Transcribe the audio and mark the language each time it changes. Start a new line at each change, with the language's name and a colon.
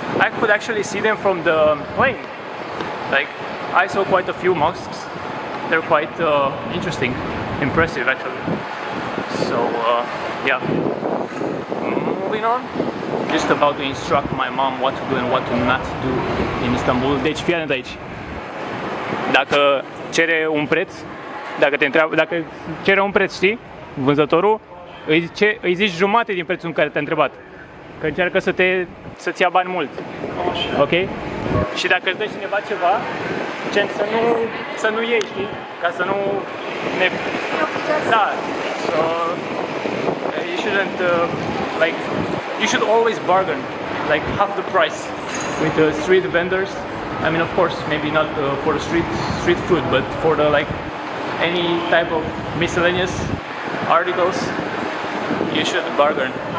English: I could actually see them from the plane. Like, I saw quite a few mosques. They're quite interesting, impressive actually. So yeah, moving on. Just about to instruct my mom what to do and what to not do in Istanbul.
Romanian: Deci fii atent aici. Dacă cere un preț, dacă te întreabă, dacă cere un preț, știi, vânzătorul, îi zici jumate din prețul în care te-a întrebat. Că încearcă să-ți ia bani mulți. Ok? Și dacă îți dă cineva ceva, încerc să nu iei, știi? Ca să nu ne... Da.
English: So, you shouldn't, like, you should always bargain, like, half the price with the street vendors. I mean, of course, maybe not for the street food, but for the, like, any type of miscellaneous articles, you should bargain.